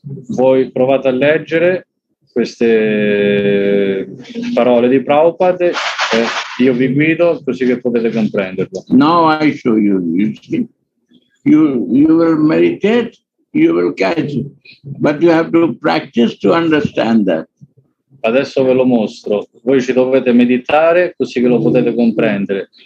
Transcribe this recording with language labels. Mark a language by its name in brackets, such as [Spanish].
[Italian] Voi provate a leggere queste parole di Prabhupada, io vi guido così che potete comprenderlo. [English] Now I show you will meditate. You will catch it, but you have to practice to understand that. [Italian] Adesso ve lo mostro. Voi ci dovete meditare così che lo potete comprendere.